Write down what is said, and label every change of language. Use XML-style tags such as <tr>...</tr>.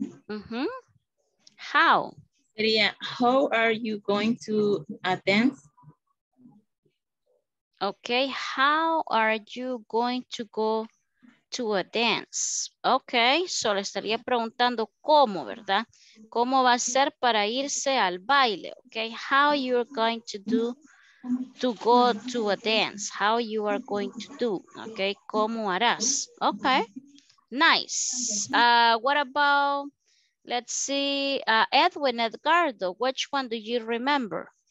<en>Mm-hmm. How? Yeah, how are you going to attend? Okay, how are you going to go to a dance?</en> <es>Ok, solo estaría preguntando cómo, ¿verdad? ¿Cómo va a ser para irse al baile?</es> <en>Ok, how you are going to do to go to a dance? How you are going to do? Ok,</en> <es>¿cómo harás?</es> <en>Ok, nice. What about, let's see, Edwin, Edgardo, which one do you remember?</en>